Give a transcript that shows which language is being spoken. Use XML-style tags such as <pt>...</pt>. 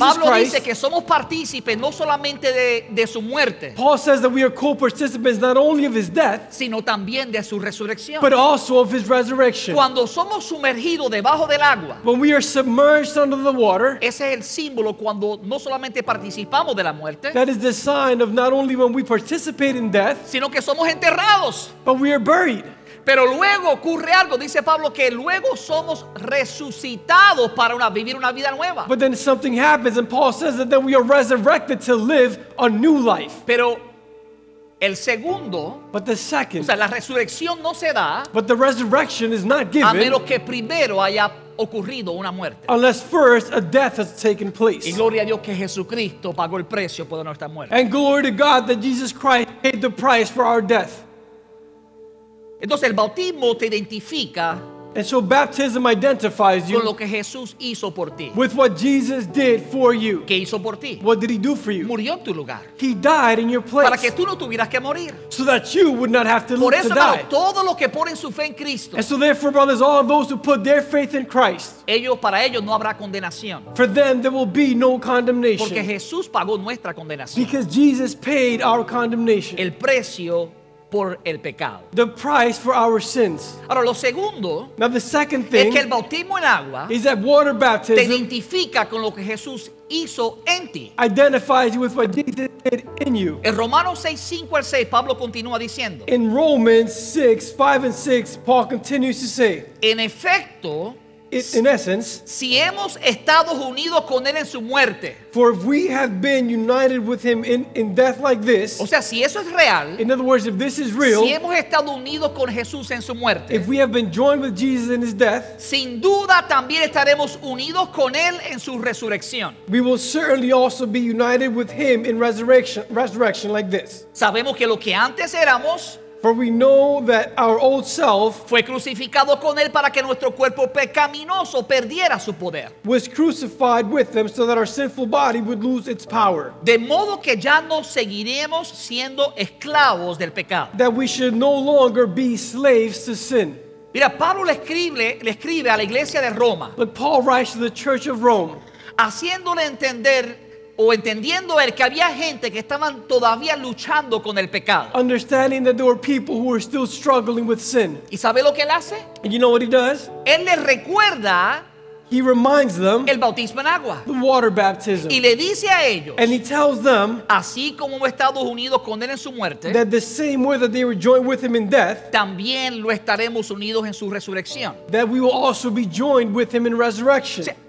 <es>Pablo</es> <en>Christ.</en> <es>Pablo dice que somos partícipes no solamente de su muerte.</es> <en>Paul says that we are co-participants not only of his death,</en> <es>sino también de su resurrección.</es> <en>But also of his resurrection.</en> <es>Cuando somos sumergidos debajo del agua.</es> <en>When we are submerged under the water.</en> <es>Ese es el símbolo cuando no solamente participamos de la muerte.</es> <en>That is the sign of not only when we participate in death,</en> <es>sino que somos enterrados.</es> <en>But we are buried.</en> <es>Pero luego ocurre algo, dice Pablo, que luego somos resucitados para vivir una vida nueva.</es> <en>But then something happens, and Paul says that then we are resurrected to live a new life.</en> <es>Pero el segundo,</es> <en>but the second,</en> <es>o sea, la resurrección no se da,</es> <en>but the resurrection is not given,</en> <es>a menos que primero haya ocurrido una muerte.</es> <en>Unless first a death has taken place.</en> <es>Y gloria a Dios que Jesucristo pagó el precio por nuestra muerte.</es> <en>And glory to God that Jesus Christ paid the price for our death.</en> <es>Entonces el bautismo te identifica.</es> <en>And so baptism identifies you.</en> <es>Con lo que Jesús hizo por ti.</es> <en>With what Jesus did for you.</en> <es>¿Qué hizo por ti?</es> <en>What did he do for you?</en> <es>Murió en tu lugar.</es> <en>He died in your place.</en> <es>Para que tú no tuvieras que morir.</es> <en>So that you would not have to live to die.</en> <es>Por eso todo lo que ponen su fe en Cristo.</es> <en>And so therefore, brothers, all of those who put their faith in Christ.</en> <es>Ellos, para ellos no habrá condenación.</es> <en>For them there will be no condemnation.</en> <es>Porque Jesús pagó nuestra condenación.</es> <en>Because Jesus paid our condemnation.</en> <es>El precio por el pecado.</es> <en>The price for our sins.</en> <es>Ahora lo segundo.</es> <en>Now the second thing.</en> <es>Es que el bautismo en agua.</es> <en>Is that water baptism.</en> <es>Te identifica con lo que Jesús hizo en ti.</es> <en>Identifies you with what Jesus did in you.</en> <es>En Romanos 6, 5 al 6. Pablo continúa diciendo.</es> <en>In Romans 6, 5 and 6. Paul continues to say.</en> <es>En efecto.</es> <en>In essence,</en> <es>si hemos estado unidos con él en su muerte,</es> <en>for if we have been united with him in death like this,</en> <es>o sea, si eso es real,</es> <en>in other words, if this is real,</en> <es>si hemos estado unidos con Jesús en su muerte,</es> <en>if we have been joined with Jesus in his death,</en> <es>sin duda también estaremos unidos con él en su resurrección.</es> <en>We will certainly also be united with him in resurrection like this.</en> <es>Sabemos que lo que antes éramos,</es> <en>For we know that our old self</en> <es>fue crucificado con él para que nuestro cuerpo pecaminoso perdiera su poder.</es> <en>Was crucified with him so that our sinful body would lose its power.</en> <es>De modo que ya no seguiremos siendo esclavos del pecado.</es> <en>That we should no longer be slaves to sin.</en> <es>Mira, Pablo le escribe a la iglesia de Roma.</es> <en>But Paul writes to the church of Rome,</en> <es>haciéndole entender o entendiendo él que había gente que estaban todavía luchando con el pecado.</es> <en>Understanding that there were people who were still struggling with sin.</en> <es>¿Y sabe lo que él hace?</es> <en>And you know what he does?</en> <es>Él les recuerda.</es> <en>He reminds them.</en> <es>El bautismo en agua.</es> <en>The water baptism.</en> <es>Y le dice a ellos.</es> <en>And he tells them.</en> <es>Así como hemos estado unidos con él en su muerte.</es> <en>That the same way that they were joined with him in death.</en> <es>También lo estaremos unidos en su resurrección.</es> <en>That we will also be joined with him in resurrection.</en>